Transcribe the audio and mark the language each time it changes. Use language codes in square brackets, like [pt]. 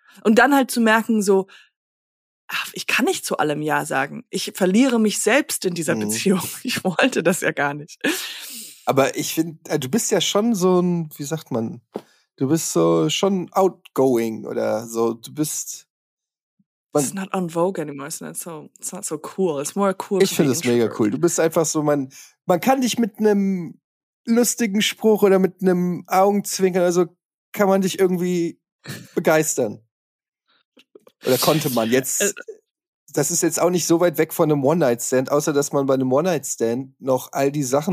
[de] Und dann halt zu merken, so, ich kann nicht zu allem Ja sagen. Ich verliere mich selbst in dieser Beziehung. Ich wollte das ja gar nicht. Aber ich finde, du bist ja schon so ein, wie sagt man, du bist so schon outgoing oder so, du bist... [en] It's not on vogue anymore, it's not so cool, it's more cool. [de] Ich finde es mega cool, du bist einfach so, man kann dich mit einem lustigen Spruch oder mit einem Augenzwinkern oder so, kann man dich irgendwie begeistern. Oder konnte man jetzt... Das ist jetzt auch nicht so weit weg von einem One-Night-Stand, außer dass man bei einem One-Night-Stand noch all die Sachen